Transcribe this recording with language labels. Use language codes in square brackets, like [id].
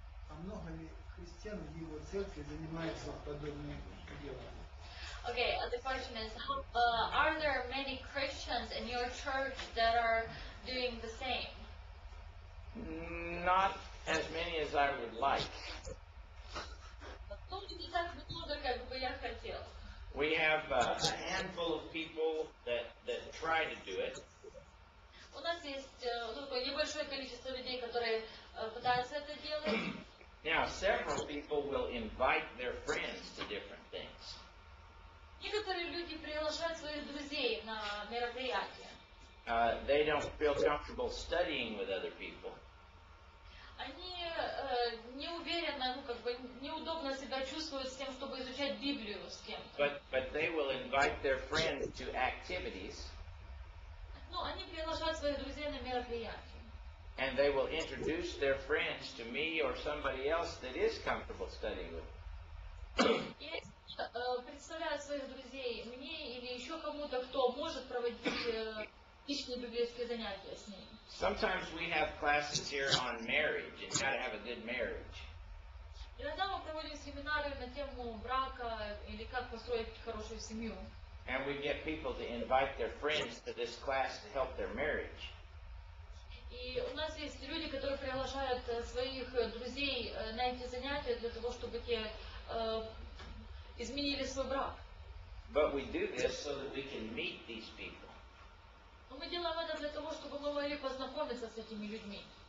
[ru] А много ли христиан в его церкви занимаются подобными делами? [en] Okay, the question is, are there many Christians in your church that are doing the same? Not as many as I would like. [ru] Не так много, как бы я хотел. [en] We have a handful of people that try to do it. [ru] У нас есть только небольшое количество людей, которые пытаются это делать. [en] Now, several people will invite their friends to different things. [ru] Некоторые люди приглашают своих друзей на мероприятия. [en] They don't feel comfortable studying with other people. [ru] Они не уверены, ну как бы неудобно себя чувствуют с тем, чтобы изучать Библию с кем-то. [en] But they will invite their friends to activities. [ru] Ну, они приглашают своих друзей на мероприятия. [en] And they will introduce their friends to me or somebody else that is comfortable studying with. [ru] И представляют своих друзей мне или еще кому-то, кто может проводить личные библейские занятия с ними. [en] Sometimes we have classes here on marriage and how to have a good marriage. [ru] Иногда мы проводим семинары на тему брака или как построить хорошую семью. [en] And we get people to invite their friends to this class to help their marriage. [ru] И у нас есть люди, которые приглашают своих друзей на эти занятия для того, чтобы те изменили свой брак. [en] But we do this so that we can meet these people. [ru] Но мы делаем это для того, чтобы мы могли познакомиться с этими людьми.